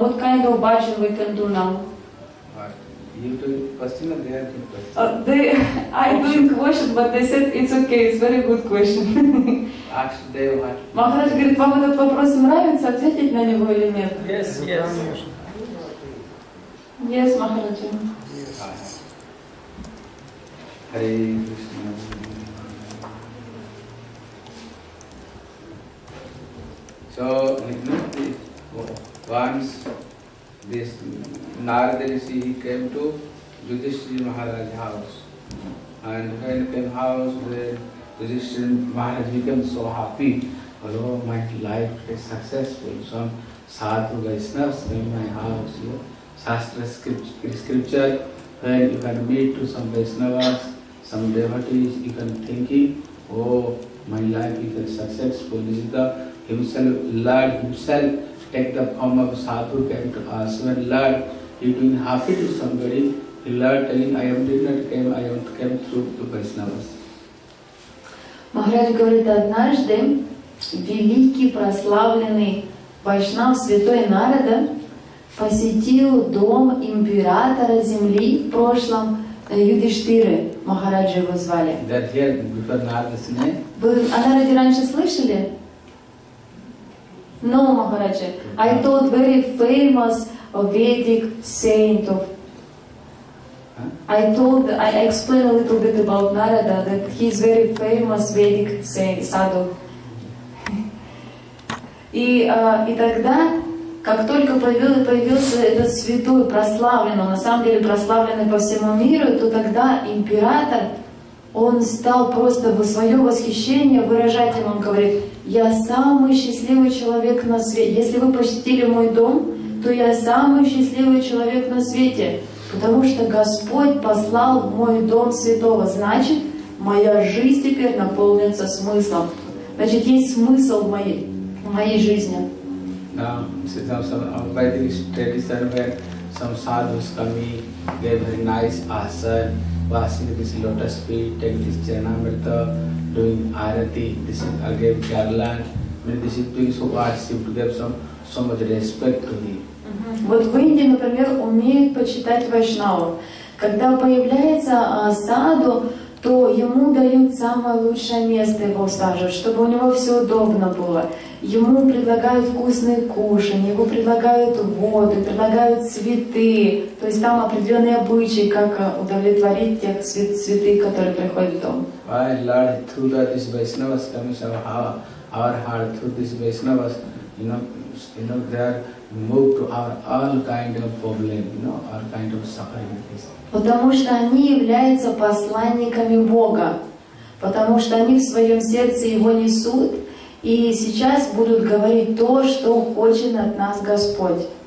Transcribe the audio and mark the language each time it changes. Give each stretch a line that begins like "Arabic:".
English: What kind of bhajan we can do now? You do question or they have to question? I'm doing question, but they said it's okay, it's very good question. Actually, they have.
Russian: Махарадж говорит, вам этот вопрос нравится, ответить на него или нет?
English: Yes, yes. Yes, Махарадж. Yes. Hare Krishna. So, you know, once this Narada Rishi, he came to Yudhishthira Maharaj's house. And when he came house, the Yudhishthira Maharaj became so happy. Oh, my life is successful. Some sadhu Vaishnavas in my house, you know. Shastra scripture, when you can meet to some Vaishnavas, some devotees, you can thinking, oh, my life is successful. This is the Himself, Lord Himself, take the form of sadhu, came to us. When Lord, you doing happy to somebody, Lord telling, I am did not came, I am came through to Vaishnavas.
Russian: Махарадж говорит, однажды великий прославленный Вайшнав, святой Нарада, посетил дом императора земли в прошлом Юдиштиры. Махарадж его звали.
English: That here, before Нарада's name?
Russian: Вы о Нараде раньше слышали?
English: No, Maharaja. I thought very famous Vedic saint of. I told, I explained a little bit about Narada, that he is very famous Vedic saint, sadhu.
Russian: И тогда, как только появился этот святой, прославленный, на самом деле прославленный по всему миру, то тогда император, он стал просто во свое восхищение выражать ему, он говорит, я самый счастливый человек на свете, если вы посетили мой дом, то я самый счастливый человек на свете, потому что Господь послал в мой дом святого, значит, моя жизнь теперь наполнится смыслом, значит, есть смысл в моей жизни.
English: Some Vedic tradition where some sadhus coming, they have very nice asana, washing this lotus feet, take this Chanamrita, doing arati, this is again garland. Many disciples who worship give so much respect to him.
Russian: Вот в Индии, например, умеют почитать вайшнаву. Когда появляется саду, то ему дают самое лучшее место его сажу, чтобы у него все удобно было. Ему предлагают вкусные кушанья, ему предлагают воду, предлагают цветы. То есть там определенные обычаи, как удовлетворить тех цветы, которые приходят в дом.
English: Why Lord, through that this Vaishnavas comes our heart, through this Vaishnavas, you know, they are moved to our all kind of problem, you know, all kind of suffering.
Russian: Потому что они являются посланниками Бога, потому что они в своем сердце Его несут, и сейчас будут говорить то, что хочет от нас Господь.